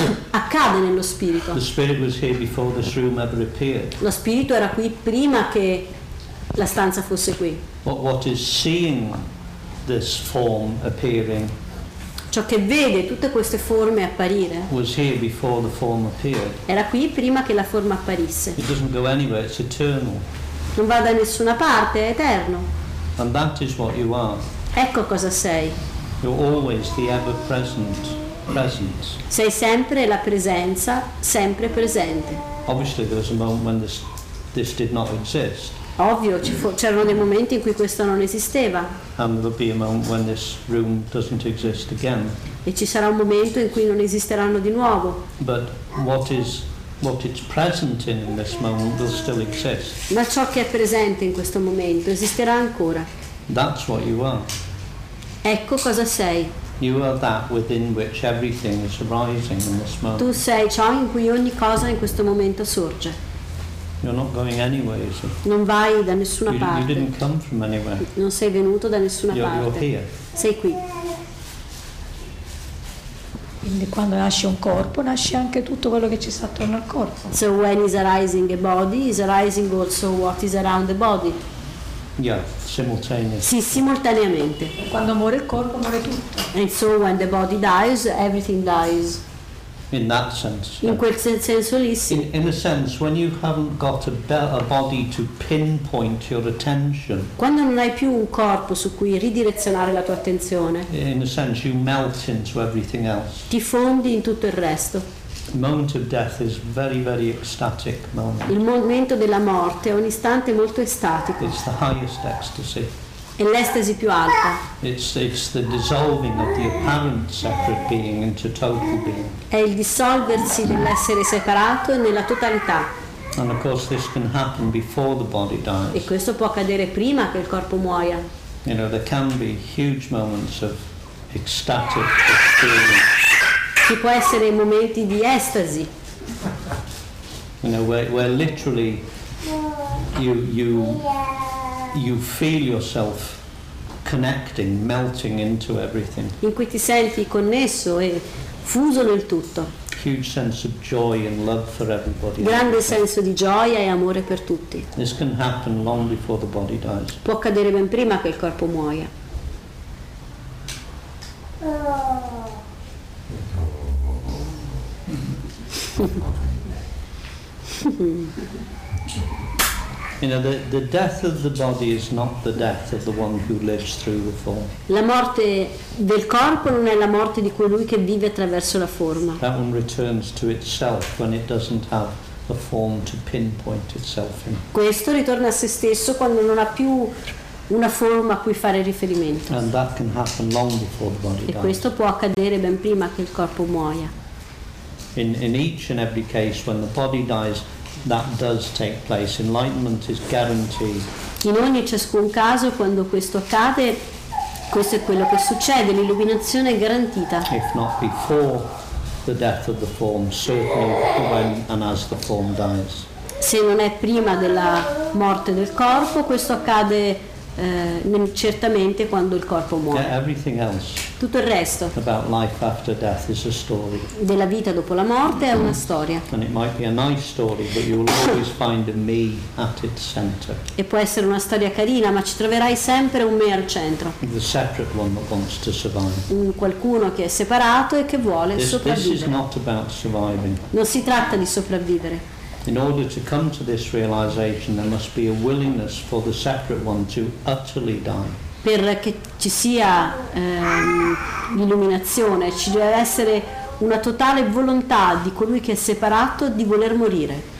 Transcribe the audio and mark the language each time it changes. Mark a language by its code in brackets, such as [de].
[it] Accade nello spirito. [en] The spirit was here before this room ever appeared. [it] Lo spirito era qui prima che la stanza fosse qui. [en] What is seeing this form appearing? [it] Ciò che vede tutte queste forme apparire. [en] Was here before the form appeared. [it] Era qui prima che la forma apparisse. [en] It doesn't go anywhere, it's eternal. [it] Non va da nessuna parte, è eterno. [en] And that is what you are. [it] Ecco cosa sei. [en] You're always the ever present presence. [it] Sei sempre la presenza, sempre presente. [en] Obviously there was a moment when this did not exist. [it] Ovvio, c'erano dei momenti in cui questo non esisteva. [en] And there'll be a moment when this room doesn't exist again. [it] E ci sarà un momento in cui non esisteranno di nuovo. [en] But what it's present in this moment will still exist. [it] Ma ciò che è presente in questo momento esisterà ancora. [en] That's what you are. [it] Ecco cosa sei. [en] You are that within which everything is arising in this moment. [it] Tu sei ciò in cui ogni cosa in questo momento sorge. [en] You're not going anywhere, so. [it] Non vai da nessuna parte. [en] You didn't come from anywhere. [it] Non sei venuto da nessuna parte. [en] You're here. [it] Sei qui. Quindi quando nasce un corpo, nasce anche tutto quello che ci sta attorno al corpo. [en] So when is arising a body, is arising also what is around the body. Yeah, simultaneously. [it] Sì, simultaneamente. E quando muore il corpo, muore tutto. [en] And so when the body dies, everything dies. In that sense. [it] In quel senso lì sì. [en] In a sense, when you haven't got a body to pinpoint your attention. [it] Quando non hai più un corpo su cui ridirezionare la tua attenzione. [en] In a sense, you melt into everything else. [it] Ti fondi in tutto il resto. [en] The moment of death is very, very ecstatic moment. [it] Il momento della morte è un istante molto estatico. [en] It's the highest ecstasy. [it] È l'estasi più alta. [en] It's the dissolving of the apparent separate being into total being. [it] È il dissolversi dell'essere separato nella totalità. [en] And of course this can happen before the body dies. [it] E questo può accadere prima che il corpo muoia. [en] You know, there can be huge moments of ecstatic experience. [it] Ci può essere momenti di estasi. [en] You know, where literally you feel yourself connecting, melting into everything. [it] In cui ti senti connesso e fuso nel tutto. [en] Huge sense of joy and love for everybody. [it] Grande senso di gioia e amore per tutti. [en] This can happen long before the body dies. [it] Può accadere ben prima che il corpo muoia. [en] You know, the death of the body is not the death of the one who lives through the form. [it] La morte del corpo non è la morte di colui che vive attraverso la forma. [en] That one returns to itself when it doesn't have a form to pinpoint itself in. [it] Questo ritorna a se stesso quando non ha più una forma a cui fare riferimento. [en] And that can happen long before the body dies. [it] E questo può accadere ben prima che il corpo muoia. [en] In each and every case, when the body dies, that does take place. Enlightenment is guaranteed. [it] In ogni ciascun caso, quando questo accade, questo è quello che succede. L'illuminazione è garantita. [en] If not before the death of the form, certainly when and as the form dies. [it] Se non è prima della morte del corpo, questo accade certamente quando il corpo muore. [en] Yeah, everything else. [it] Tutto il resto. [en] About life after death is a story. [it] Della vita dopo la morte è una storia. [en] And it might be a nice story, but you will always find a me at its center. [it] E può essere una storia carina, ma ci troverai sempre un me al centro. [en] The separate one that wants to survive. [it] Un qualcuno che è separato e che vuole sopravvivere. [en] This is not about surviving. [it] Non si tratta di sopravvivere. [en] In order to come to this realization, there must be a willingness for the separate one to utterly die. [it] Per che ci sia l'illuminazione, ci deve essere una totale volontà di colui che è separato di voler morire.